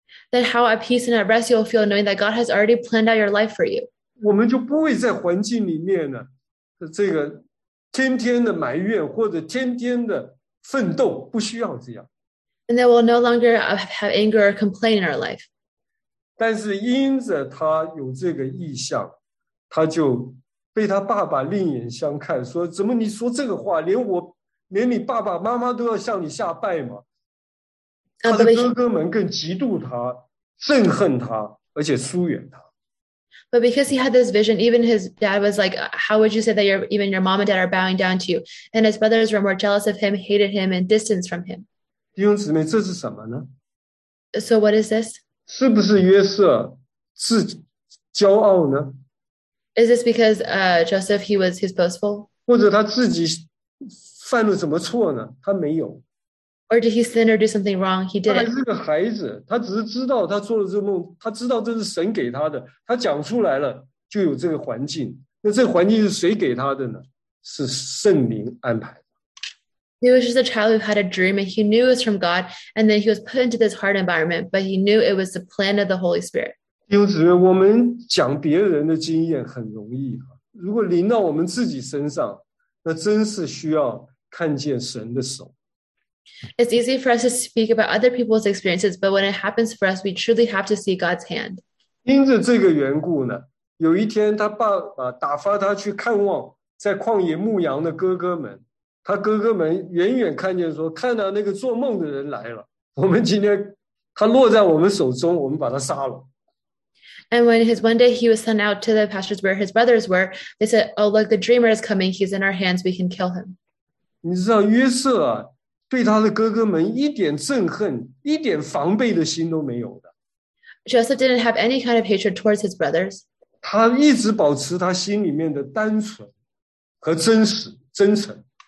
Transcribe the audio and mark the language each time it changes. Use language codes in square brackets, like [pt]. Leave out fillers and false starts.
[en] Then how at peace and at rest you'll feel knowing that God has already planned out your life for you. [zh] 我们就不会在环境里面呢，这个天天的埋怨或者天天的奋斗，不需要这样。 [en] And then we'll no longer have anger or complain in our life. [zh] 但是因着他有这个意象，他就被他爸爸另眼相看，说怎么你说这个话，连我。连你爸爸妈妈都要向你下拜吗？他的哥哥们更嫉妒他，憎恨他，而且疏远他。 [en] But because he had this vision, even his dad was like, "How would you say that even your mom and dad are bowing down to you?" And his brothers were more jealous of him, hated him, and distanced from him. [zh] 弟兄姊妹，这是什么呢 [en] ？So what is this? [zh] 是不是约瑟自骄傲呢 [en] ？Is this because Joseph he was boastful? [zh] 或者他自己？犯了什么错呢？他没有。 [en] Or did he sin or do something wrong? He didn't. [zh] 他还是个孩子，他只是知道他做了这个梦，他知道这是神给他的，他讲出来了，就有这个环境。那这个环境是谁给他的呢？是圣灵安排的。 [en] He was just a child who had a dream, and he knew it was from God, and then he was put into this hard environment, but he knew it was the plan of the Holy Spirit. [zh] 弟兄姊妹，我们讲别人的经验很容易，如果临到我们自己身上，那真是需要看见神的手。 [en] It's easy for us to speak about other people's experiences, but when it happens for us, we truly have to see God's hand. [zh] 因着这个缘故呢，有一天他爸爸打发他去看望在旷野牧羊的哥哥们，他哥哥们远远看见说，看到那个做梦的人来了，我们今天他落在我们手中，我们把他杀了。 [en] And when one day he was sent out to the pastures where his brothers were, they said, "Oh, look, the dreamer is coming. He's in our hands. We can kill him." [zh] 你知道约瑟啊，对他的哥哥们一点憎恨、一点防备的心都没有的。 [en] Joseph didn't have any kind of hatred towards his brothers. [zh] 他一直保持他心里面的单纯和真实、真诚。